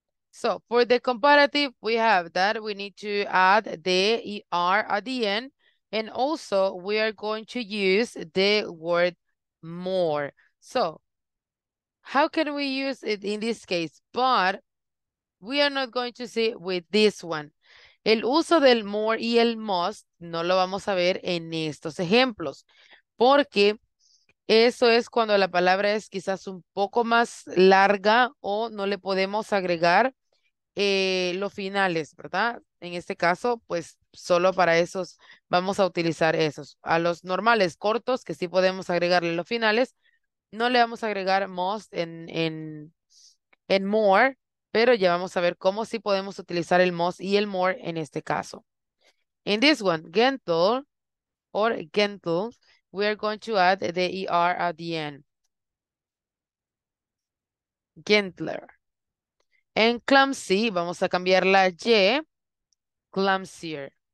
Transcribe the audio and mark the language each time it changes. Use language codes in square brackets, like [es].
[en] So for the comparative, we have that we need to add the ER at the end, and also we are going to use the word more. So how can we use it in this case? But we are not going to see with this one. [es] El uso del more y el must no lo vamos a ver en estos ejemplos, porque eso es cuando la palabra es quizás un poco más larga o no le podemos agregar los finales, ¿verdad? En este caso, pues solo para esos vamos a utilizar esos. A los normales cortos, que sí podemos agregarle los finales, no le vamos a agregar must en more, pero ya vamos a ver cómo sí podemos utilizar el must y el more en este caso. [en] In this one, gentle or gentle, we are going to add the ER at the end. [es] Gentler. En clumsy, vamos a cambiar la Y, clumsier.